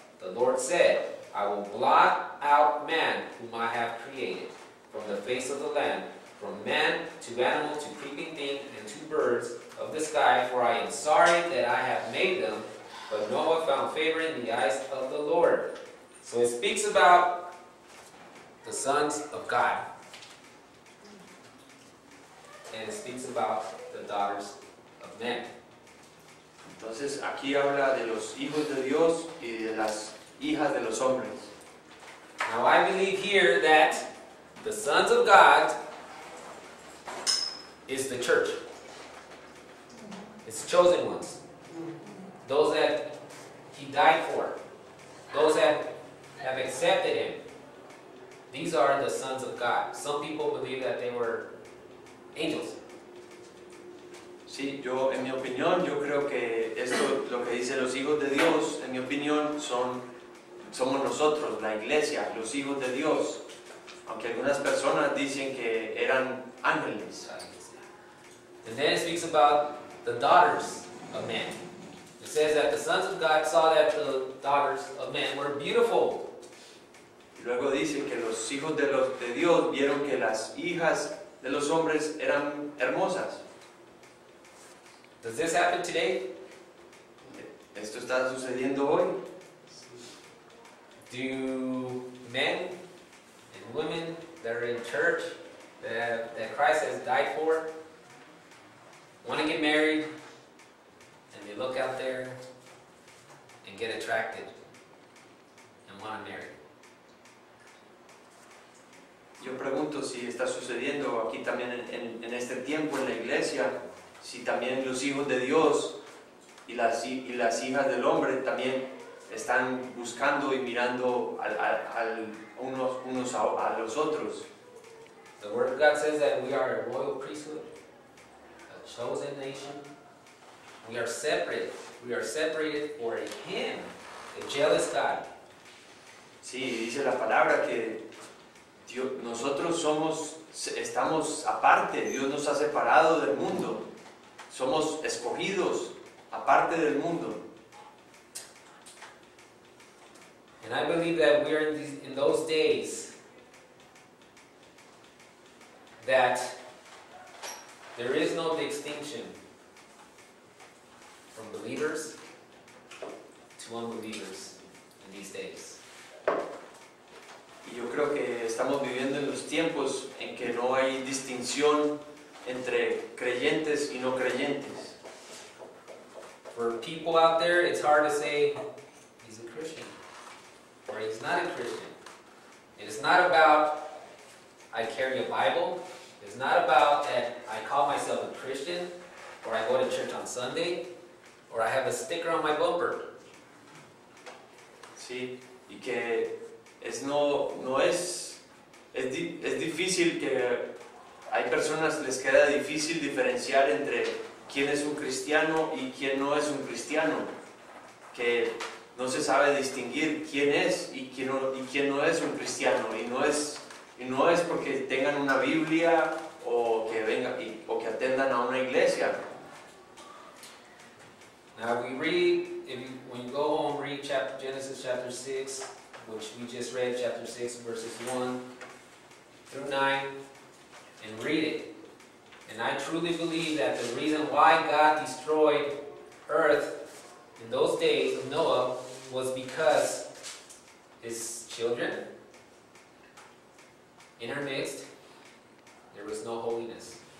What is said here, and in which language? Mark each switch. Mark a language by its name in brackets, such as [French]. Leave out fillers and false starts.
[English] The Lord said, I will blot out man whom I have created from the face of the land, from man to animal to creeping thing and to birds of the sky, for I am sorry that I have made them. But Noah found favor in the eyes of the Lord. So it speaks about the sons of God. And it speaks about the daughters of men. [Spanish] Entonces aquí habla de los hijos de Dios y de las hijas de los hombres. [English] Now I believe here that the sons of God is the church. It's chosen ones. Those that he died for. Those that have accepted him. These are the sons of God. Some people believe that they were angels. [Spanish] Sí, yo en mi opinión, yo creo que esto, lo que dice los hijos de Dios, en mi opinión, somos nosotros, la iglesia, los hijos de Dios. Aunque algunas personas dicen que eran ángeles. [English] And then it speaks about the daughters of men. It says that the sons of God saw that the daughters of men were beautiful. [Spanish] Y luego dice que los hijos de Dios vieron que las hijas de los hombres eran hermosas. [English] Does this happen today? [Spanish] ¿Esto está sucediendo hoy? [English] Do men and women that are in church that Christ has died for want to get married and they look out there and get attracted and want to marry? [Spanish] Yo pregunto si está sucediendo aquí también en este tiempo en la iglesia, si también los hijos de Dios y las hijas del hombre también están buscando y mirando a los otros. [English] The word of God says that we are a royal priesthood, a chosen nation. We are separate. We are separated for Him, the jealous God. [Spanish] Sí, dice la palabra que Dios, nosotros estamos aparte. Dios nos ha separado del mundo. Somos escogidos aparte del mundo. [English] And I believe that we are in those days that there is no distinction from believers to unbelievers in these days. [Spanish] Y yo creo que estamos viviendo en los tiempos en que no hay distinción entre creyentes y no creyentes. [English] For people out there, it's hard to say he's a Christian or he's not a Christian. It is not about I carry a Bible. It's not about that I call myself a Christian or I go to church on Sunday or I have a sticker on my bumper. [Spanish] Sí, y que es no es difícil que hay personas les queda difícil diferenciar entre quién es un cristiano y quién no es un cristiano, que no se sabe distinguir quién es y quién no es un cristiano, y no es porque tengan una Biblia o que atendan a una iglesia. [English] Now we read, when you go home, read chapter Genesis chapter 6, which we just read, chapter 6 verses 1-9, and read it. And I truly believe that the reason why God destroyed earth in those days of Noah was because his children intermixed, there was no holiness.